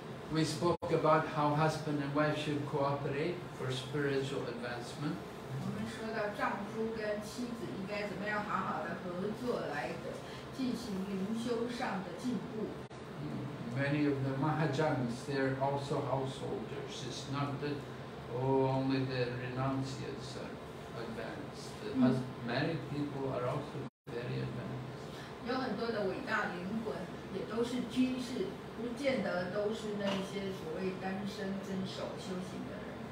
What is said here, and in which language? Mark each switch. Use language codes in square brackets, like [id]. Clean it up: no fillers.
[en] We spoke about how husband and wife should cooperate for spiritual advancement. [zh] 说到丈夫跟妻子应该怎么样好好的合作来的进行灵修上的进步。 [en] Many of the Mahajans, they're also householders. It's not that only the renunciates are advanced. The married people are also very advanced. [zh] 有很多的伟大灵魂也都是居士，不见得都是那些所谓单身遵守修行的人。